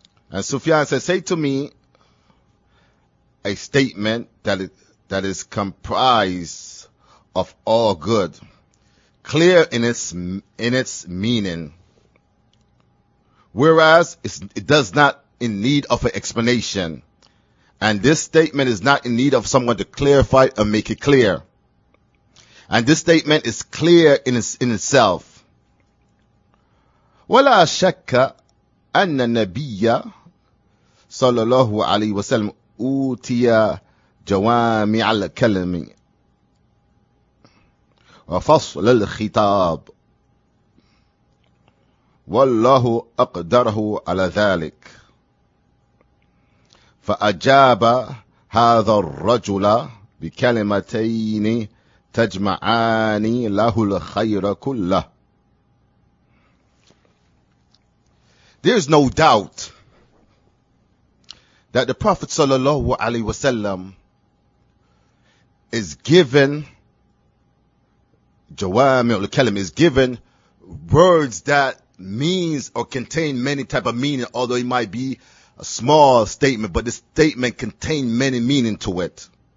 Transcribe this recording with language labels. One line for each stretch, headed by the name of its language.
English: and Sufyan said, "Say to me a statement that is comprised of all good, clear in its meaning, whereas it does not in need of an explanation, and this statement is not in need of someone to clarify or make it clear, and this statement is clear in itself."
Arabic: ولا شك أن النبي صلى الله عليه وسلم أوتي جوامع الكلم وفصل الخطاب والله أقدره على ذلك فأجاب هذا الرجل بكلمتين تجمعان له الخير كله.
English: There is no doubt that the Prophet sallallahu alaihi wasallam is given jawami' al-kalim, is given words that means or contain many type of meaning, although it might be a small statement, but the statement contain many meaning to it.